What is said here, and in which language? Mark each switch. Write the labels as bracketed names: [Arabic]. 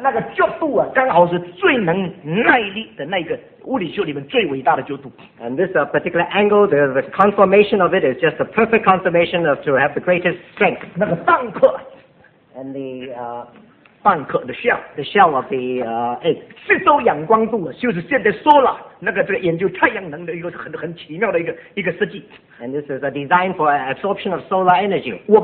[Chinese] 那个角度啊, 刚好是最能耐力的那个, [English] and this particular angle, the conformation of it is just the perfect conformation of to have the greatest strength. [Chinese] 那个蛋壳, [English] and the shell of the egg. [Chinese] 吸收阳光度就是现在solar那个这个研究太阳能的一个很奇妙的一个设计. [English] And this is a design for absorption of solar energy.